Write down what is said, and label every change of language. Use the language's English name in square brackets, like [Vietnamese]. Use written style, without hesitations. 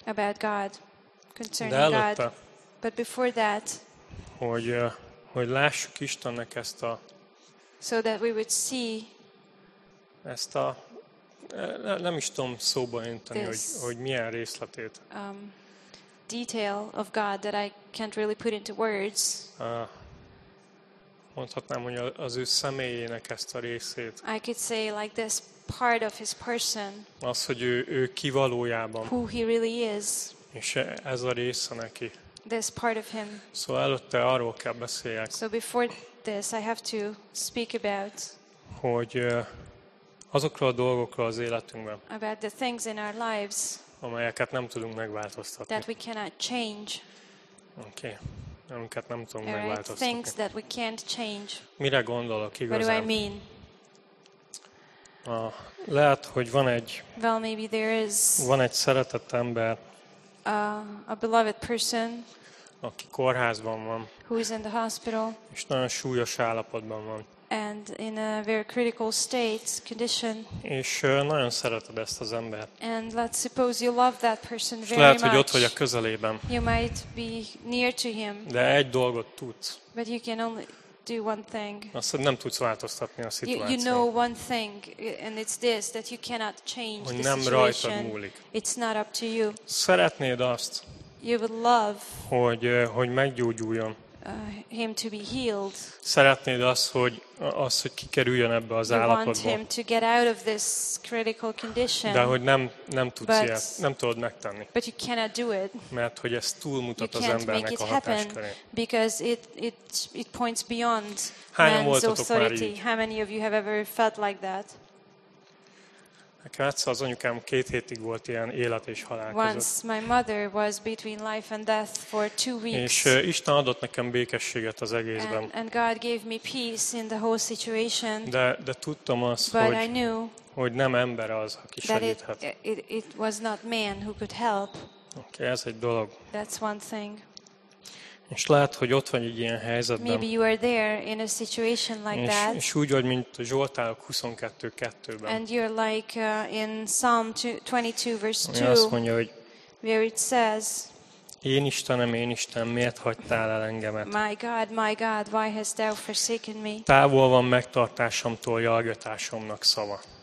[English] About God, concerning [Hungarian] De előtte, [English] God. But before that, [Hungarian] hogy lássuk Istennek ezt a [English] so that we would see [Hungarian] ezt a nem is tudom szóba önteni, hogy milyen részletét. [English] Detail of God that I can't really put into words. [Hungarian] Mondhatnám, hogy az ő személyének ezt a részét. [English] I could say like this part of his person. [Hungarian] Az, hogy ő ki valójában. [English] Who he really is. [Hungarian] És ez a része neki. [English] This part of him. [Hungarian] Szóval előtte arról kell beszéljek. [English] So before this I have to speak about [Hungarian] hogy azokról a dolgokról az életünkben. [English] About the things in our lives. [Hungarian] Amelyeket nem tudunk megváltoztatni. [English] That we cannot change. Okay. [Hungarian] Amiket nem tudunk megváltoztatni. [English] Things that we can't change. [Hungarian] Mire gondolok igazán? [English] What do I mean? [Hungarian] Lehet, hogy van egy [English] well, maybe there is [Hungarian] van egy szeretett ember. [English] A beloved person. [Hungarian] Aki kórházban van. [English] Who is in the hospital. [Hungarian] És nagyon súlyos állapotban van. [English] And in a very critical state condition. [Hungarian] És nagyon szereted ezt az embert. [English] And let's suppose you love that person very much. [Hungarian] Lehet, hogy ott vagy a közelében. [English] You might be near to him. [Hungarian] De egy dolgot tudsz. [English] But you can only do one thing. [Hungarian] Azt nem tudsz változtatni a szituációt. [English] You know one thing, and it's this that you cannot change the situation. [Hungarian] Nem rajtad múlik. [English] It's not up to you. [Hungarian] Szeretnéd azt? [English] You would love. [Hungarian] Hogy meggyógyuljon. [English] Him to be healed. [Hungarian] Szeretnéd az, hogy kikerüljön ebbe az állapotból. [English] You want him to get out of this critical condition. [Hungarian] De hogy nem tudsz ilyet, nem tudod megtenni. [English] But you cannot do it. [Hungarian] Mert hogy ez túlmutat az embernek a hatáskörén. [English] Because it points beyond man's authority. How many of you have ever felt like that? [Hungarian] Nekem egyszer az anyukám két hétig volt ilyen élet és halál között. [English] Once my mother was between life and death for 2 weeks. [Hungarian] És Isten adott nekem békességet az egészben. [English] And God gave me peace in the whole situation. [Hungarian] De tudtam azt, hogy nem ember az, aki segíthet. [English] It was not man who could help. [Hungarian] Okay, ez egy dolog. [English] That's one thing. [Hungarian] És lehet, hogy ott vagy egy ilyen helyzetben. [English] Maybe you are there in a situation like that. [Hungarian] És úgy vagy, mint a Zsoltárok 22:2-ben. [English] And you're like in Psalm 22 verse 2. [Hungarian] Azt mondja, hogy [English] where it says, [Hungarian] én Istenem, én Istenem, miért hagytál el engemet? [English] My God, why hast thou forsaken me? [Hungarian] Távol van megtartásomtól jalgatásomnak szava.